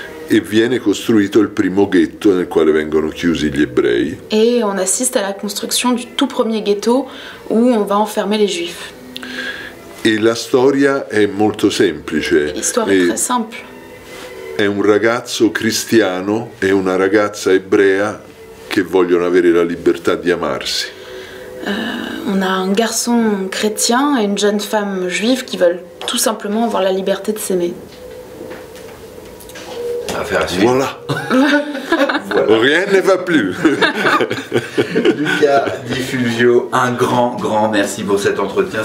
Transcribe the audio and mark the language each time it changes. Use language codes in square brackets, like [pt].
[it] E viene costruito il primo ghetto nel quale vengono chiusi gli ebrei. [fr] Et on assiste à la construction du tout premier ghetto où on va enfermer les juifs. [it] E la storia è molto semplice. [fr] L'histoire est très simple. [it] È un ragazzo cristiano e una ragazza ebrea che vogliono avere la libertà di amarsi. [fr] On a un garçon chrétien et une jeune femme juive qui veulent tout simplement avoir la liberté de s'aimer. Affaire à suivre. Voilà. Rien ne va plus. Luca Di Fulvio, un grand, grand merci pour cet entretien.